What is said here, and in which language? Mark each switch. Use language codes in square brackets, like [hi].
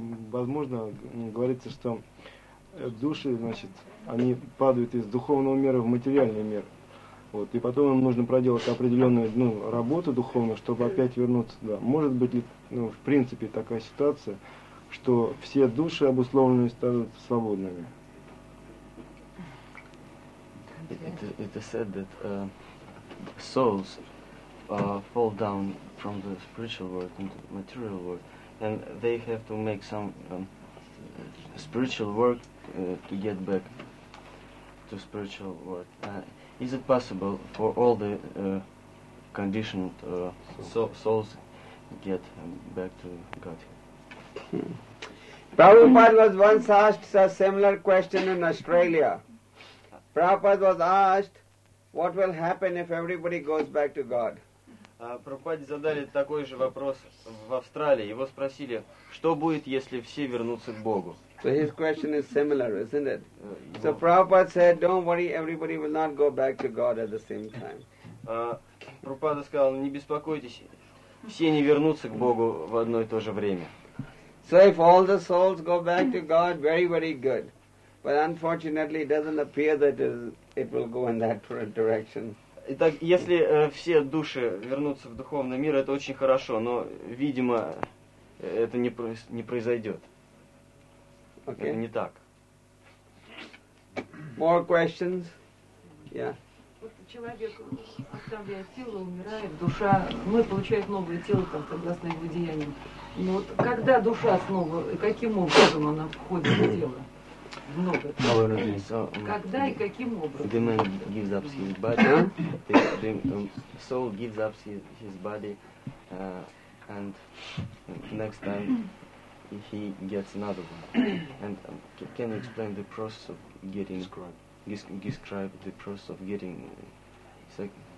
[ru] Возможно, говорится, что души, значит, они падают из духовного мира в материальный мир. Вот. И потом им нужно проделать определенную работу духовную, чтобы опять вернуться туда. Может быть ли, в принципе, такая ситуация, что все души обусловленные станут свободными? [en] It is said that souls fall down from the spiritual world into the material world, and they have to make some spiritual work to get back to spiritual world. Is it possible for all the conditioned souls get back to God. Prabhupada was once asked a similar question in Australia. Prabhupada was asked, what will happen if everybody goes back to God? [ru] Прабхупаде задали такой же вопрос в Австралии. Его спросили, что будет, если все вернутся к Богу? [en] So his question is similar, isn't it? So Prabhupada said, don't worry, everybody will not go back to God at the same time. [ru] Прабхупада сказал, не беспокойтесь, все не вернутся к Богу в одно и то же время. [en] So if all the souls go back to God, very, very good. But unfortunately, it doesn't appear that it will go in that direction. [ru] Итак, если все души вернутся в духовный мир, это очень хорошо, но, видимо, это не произойдет. [en] Okay. [ru] Это не так. [en] More questions? Yeah. [ru] Человек оставляет тело, умирает, душа, ну и получает новое тело, там, согласно его деяниям. Но вот когда душа снова, каким образом она входит в тело? [en] The man gives up his body, the soul gives up his body, and next time he gets another one. And can you explain the process of getting, describe the process of getting second?